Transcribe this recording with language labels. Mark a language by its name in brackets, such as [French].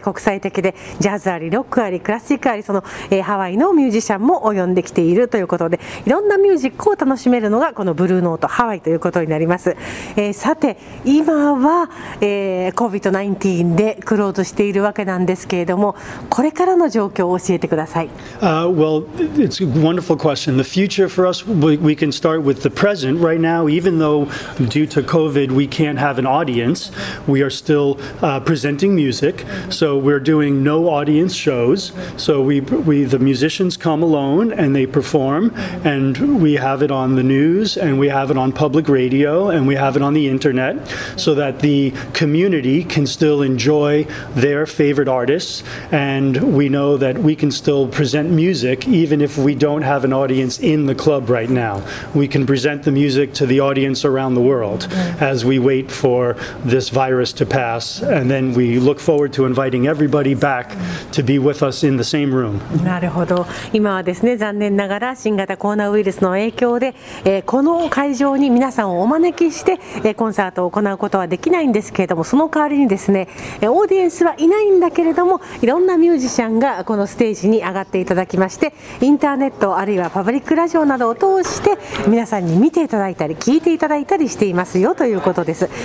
[Japanese] 国際的でジャズあり、ロックあり、クラシックあり、その、ハワイのミュージシャンも及んできているということで、いろんなミュージックを楽しめるのがこのブルーノートハワイということになります。さて、今は、COVID-19 でクローズしているわけなんですけれども、これからの状況を教えてください。 [English] Well, it's a wonderful question. The future for us, we can start with the present. Right now, even though due to COVID, we can't have an audience, we are still presenting music. So we're doing no audience shows. So the musicians come alone and they perform, and we have it on the news, and we have it on public radio, and we have it on the internet, so that the community can still enjoy their favorite artists, and we know that we can still present music even if we don't have an audience in the club right now. We can present the music to the audience around the world as we wait for this virus to pass, and then we look forward to inviting everybody back to be with us in the same room. [Japanese] なるほど。今はですね、残念ながら新型コロナウイルスの影響で、この会場に皆さんをお招きして、コンサートを行うことはできないんですけれども、その代わりにですね、オーディエンスはいないんだけれども、いろんなミュージシャンがこのステージに上がっていただきまして、インターネットあるいはパブリックラジオなどを通して皆さんに見ていただいたり聞いていただいたりしていますよということです。